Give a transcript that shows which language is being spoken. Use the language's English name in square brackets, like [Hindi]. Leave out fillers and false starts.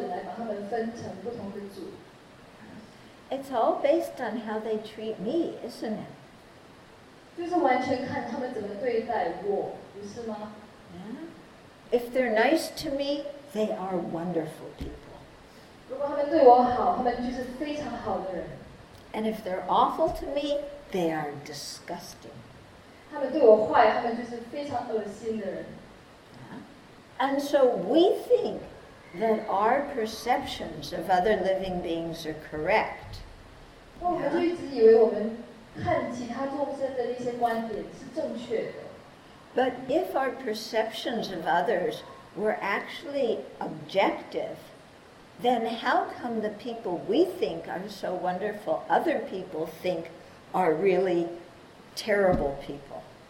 [Chinese] 但我们，但是如果我们看我们的内心想，我们真正的标准是怎么分组？我们是用什么标准来分这些是好人坏人，然后对这组人漠然呢？是我们是用什么标准来把他们分成不同的组？ [English] It's all based on how they treat me, isn't it? [Chinese] 就是完全看他们怎么对待我，不是吗？ [English] Yeah. If they're nice to me, they are wonderful people. [Chinese] 如果他们对我好，他们就是非常好的人。 [English] And if they're awful to me, they are disgusting. [Chinese] 他们对我坏，他们就是非常恶心的人。 [English] Yeah. And so we think that our perceptions of other living beings are correct. [Chinese] 我们就一直以为我们看其他众生的那些观点是正确的。 [English] But if our perceptions of others were actually objective, then how come the people we think are so wonderful, other people think are really terrible people?